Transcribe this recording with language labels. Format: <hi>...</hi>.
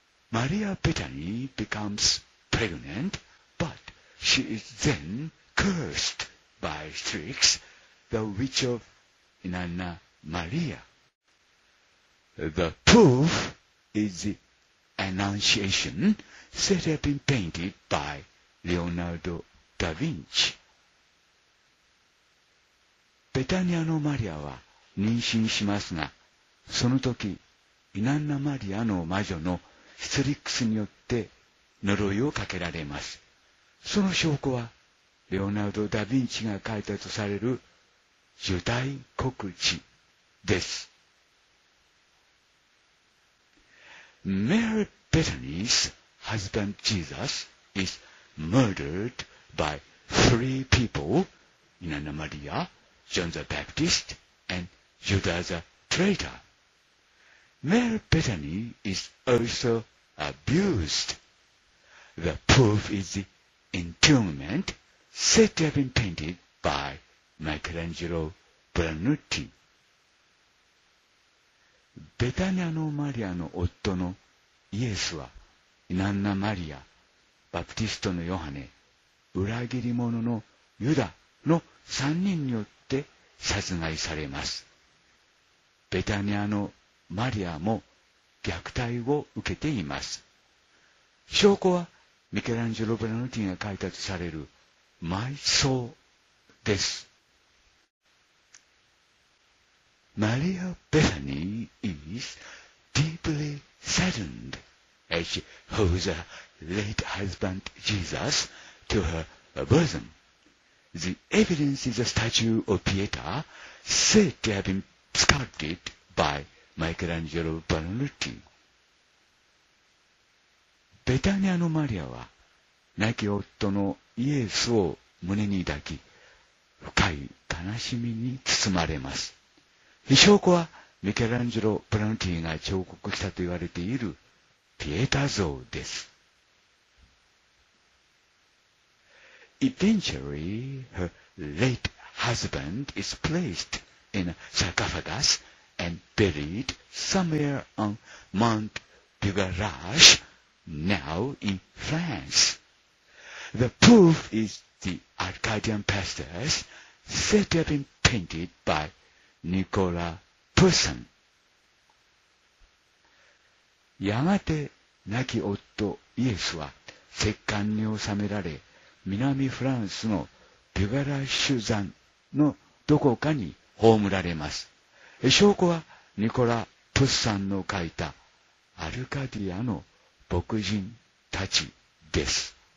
<en>マリア・ペタニー becomes pregnant, but she is then cursed by Strix, the witch of Nanna Maria. The proof is the Annunciation set up and painted by Leonardo da Vinci.</en> <ja>ペタニアのマリアは妊娠しますが、その時、イナンナ・マリアの魔女のストリックスによって呪いをかけられます。その証拠は、レオナルド・ダ・ヴィンチが書いたとされる受胎告知です。</ja> <en>Mary Bethany's husband Jesus is murdered by three people, イナンナ・マリア、John the Baptist and Judas the Traitor. Mary Bethany is also abused. The proof is the entombment said to have been painted by Michelangelo Brunetti.</en> <ja>ベタニアのマリアの夫のイエスはイナンナ・マリア、バプティストのヨハネ、裏切り者のユダの3人によって殺害されます。ベタニアのマリアも虐待を受けています。証拠はミケランジェロ・ブラノティが書いたとされる埋葬です。</ja> <en>マリア・ベタニー is deeply saddened as she holds her late husband Jesus to her bosom. The evidence is a statue of Pietà said to have been sculpted by Michelangelo Brunetti.</en> <ja>ベタニアのマリアは亡き夫のイエスを胸に抱き、深い悲しみに包まれます。証拠はミケランジェロ・ブラヌティが彫刻したと言われているピエタ像です。</ja> <en>Eventually, her late husband is placed in a sarcophagus and buried somewhere on Mount Bugarache, now in France. The proof is the Arcadian pastures said to have been painted by Nicolas Poussin.</en> <ja>やがて亡き夫イエスは石棺に納められ、南フランスのピュガラッシュ山のどこかに葬られます。証拠はニコラ・プッサンの書いたアルカディアの牧人たちです。</ja>